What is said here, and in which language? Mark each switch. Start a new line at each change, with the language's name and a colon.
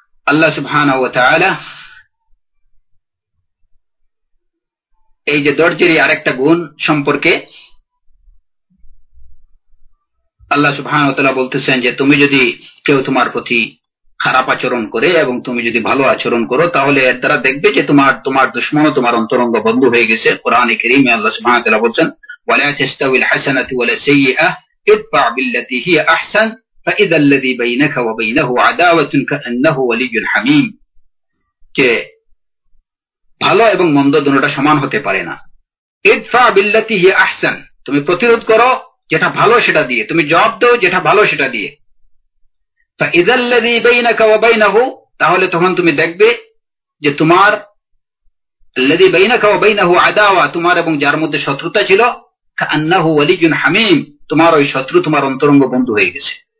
Bangla: আল্লাহ সুবহানাহু ওয়া তাআলা এই যে ধৈর্যের আরেকটা গুণ সম্পর্কে আল্লাহ সুবহানাহু ওয়া তাআলা বলতেছেন যে তুমি যদি কেউ তোমার প্রতি খারাপ আচরণ করে এবং তুমি যদি ভালো আচরণ করো, তাহলে এর দ্বারা দেখবে যে তোমার তোমার দুশ্মন তোমার অন্তরঙ্গ বন্ধু হয়ে গেছে। কোরআনে কারীমে আল্লাহ সুবহানাহু ওয়া তাআলা বলছেন
Arabic: ولا تستوي الحسنة ولا سيئة ادفع بالتي هي أحسن فإذا الذي بينك وبينه عداوة كأنه ولي حميم
Bangla: যে ভালো এবং মন্দ দুটো সমান হতে পারে না।
Arabic: ادفع بالتي هي أحسن,
Bangla: তুমি প্রতিরোধ করো যেটা ভালো সেটা দিয়ে, তুমি জবাব দাও যেটা ভালো সেটা দিয়ে।
Arabic: فإذا الذي بينك وبينه,
Bangla: তাহলে তখন তুমি দেখবে যে তোমার
Arabic: الذي بينك وبينه عداوة,
Bangla: তোমার এবং যার মধ্যে শত্রুতা ছিল,
Arabic: কান্নাহু ওয়ালিয়ুন হামিম,
Bangla: তোমার ওই শত্রু তোমার অন্তরঙ্গ বন্ধু হয়ে গেছে।